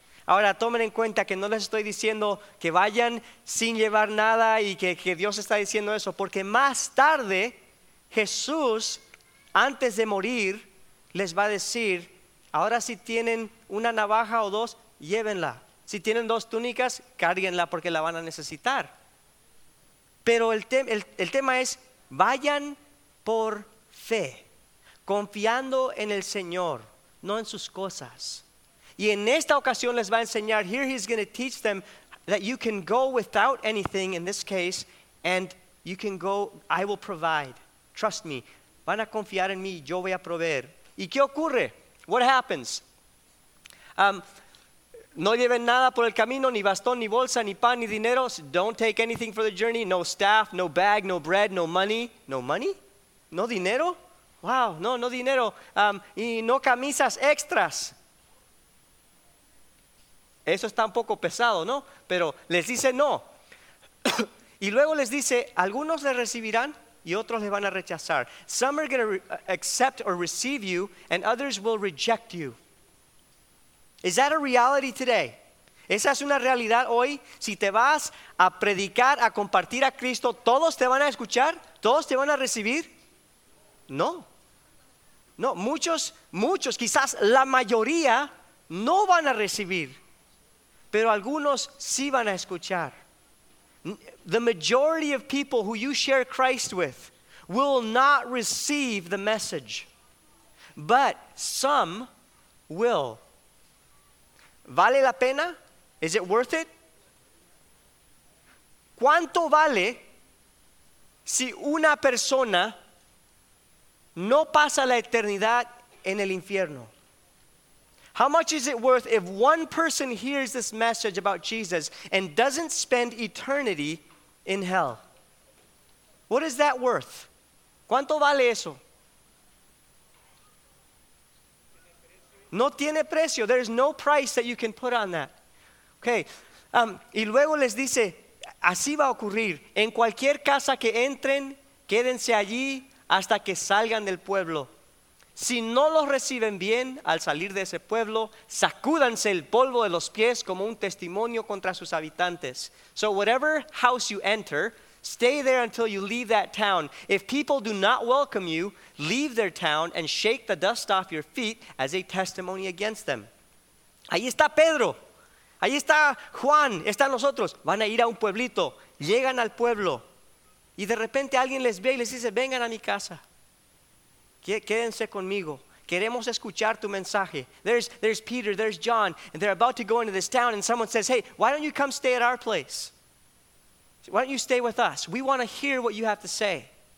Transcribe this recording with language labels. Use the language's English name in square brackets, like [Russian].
[Spanish] Ahora tomen en cuenta que no les estoy diciendo que vayan sin llevar nada y que Dios está diciendo eso, porque más tarde Jesús, antes de morir, les va a decir: ahora si tienen una navaja o dos, llévenla. Si tienen dos túnicas, cárguenla porque la van a necesitar. Pero el tema es: vayan por fe, confiando en el Señor, no en sus cosas. Y en esta ocasión les va a enseñar, [English] here he's going to teach them that you can go without anything in this case, and you can go, I will provide. Trust me, [Spanish] van a confiar en mí, yo voy a proveer. ¿Y qué ocurre? [English] What happens? [Spanish] No lleven nada por el camino, ni bastón, ni bolsa, ni pan, ni dinero. [English] Don't take anything for the journey. No staff, no bag, no bread, no money. ¿No money? [Spanish] ¿No dinero? Wow, no dinero. Y no camisas extras. Eso está un poco pesado, ¿no? Pero les dice no. Y luego les dice, algunos le recibirán y otros le van a rechazar. [English] Some are going to accept or receive you and others will reject you. Is that a reality today? [Spanish] ¿Esa es una realidad hoy? Si te vas a predicar, a compartir a Cristo, ¿todos te van a escuchar? ¿Todos te van a recibir? No. No, muchos, quizás la mayoría no van a recibir. Pero algunos sí van a escuchar. [English] The majority of people who you share Christ with will not receive the message. But some will. [Spanish] ¿Vale la pena? [English] Is it worth it? [Spanish] ¿Cuánto vale si una persona no pasa la eternidad en el infierno? [English] How much is it worth if one person hears this message about Jesus and doesn't spend eternity in hell? What is that worth? [Spanish] ¿Cuánto vale eso? No tiene precio. [English] There is no price that you can put on that. Okay. [Spanish] Y luego les dice, así va a ocurrir. En cualquier casa que entren, quédense allí hasta que salgan del pueblo. Si no los reciben bien al salir de ese pueblo, sacúdanse el polvo de los pies como un testimonio contra sus habitantes. [English] So whatever house you enter, stay there until you leave that town. If people do not welcome you, leave their town and shake the dust off your feet as a testimony against them. [Spanish] Ahí está Pedro. Ahí está Juan. Están los otros. Van a ir a un pueblito. Llegan al pueblo. Y de repente alguien les ve y les dice, vengan a mi casa. Quédense conmigo. Queremos escuchar tu mensaje. [English] There's Peter, there's John, and they're about to go into this town, and someone says, hey, why don't you come stay at our place? Why don't you stay with us? We want to hear what you have to say.